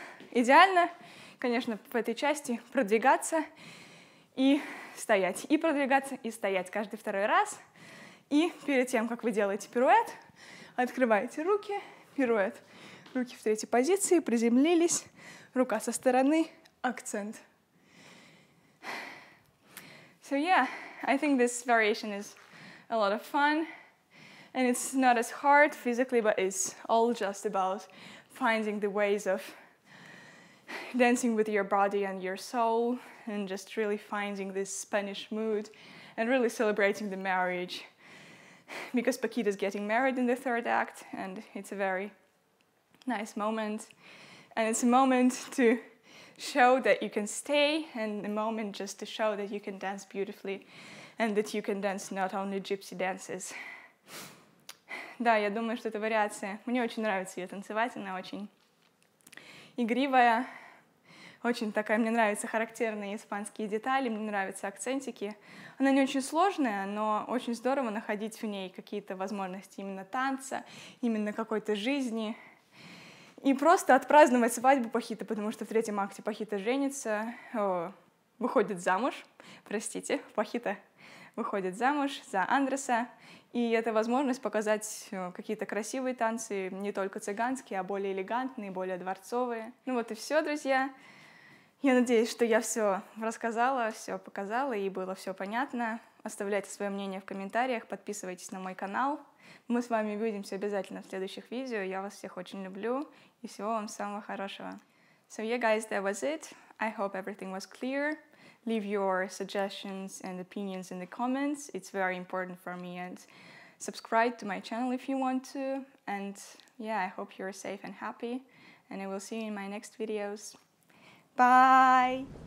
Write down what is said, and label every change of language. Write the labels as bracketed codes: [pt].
[ru] Идеально, конечно, в этой части продвигаться и стоять. И продвигаться, и стоять каждый второй раз. И перед тем, как вы делаете пируэт, открываете руки, пируэт, руки в третьей позиции, приземлились, рука со стороны, акцент. [en] So yeah, I think this variation is a lot of fun, and it's not as hard physically, but it's all just about finding the ways of dancing with your body and your soul, and just really finding this Spanish mood, and really celebrating the marriage. Because Paquita is getting married in the third act, and it's a very nice moment. And it's a moment to show that you can stay, and a moment just to show that you can dance beautifully, and that you can dance not only gypsy dances. [ru] Да, я думаю, что это вариация. Мне очень нравится ее танцевать, она очень игривая. Очень такая, мне нравятся характерные испанские детали, мне нравятся акцентики. Она не очень сложная, но очень здорово находить в ней какие-то возможности именно танца, именно какой-то жизни. И просто отпраздновать свадьбу Пахита, потому что в третьем акте Пахита женится, выходит замуж, простите, Пахита выходит замуж за Андреса. И это возможность показать какие-то красивые танцы, не только цыганские, а более элегантные, более дворцовые. Ну вот и все, друзья. Я надеюсь, что я все рассказала, все показала и было все понятно. Оставляйте свое мнение в комментариях, подписывайтесь на мой канал. Мы с вами увидимся обязательно в следующих видео. Я вас всех очень люблю и всего вам самого хорошего. [en] So yeah, guys, that was it. I hope everything was clear. Leave your suggestions and opinions in the comments. It's very important for me. And subscribe to my channel if you want to. And yeah, I hope you're safe and happy. And I will see you in my next videos. Bye.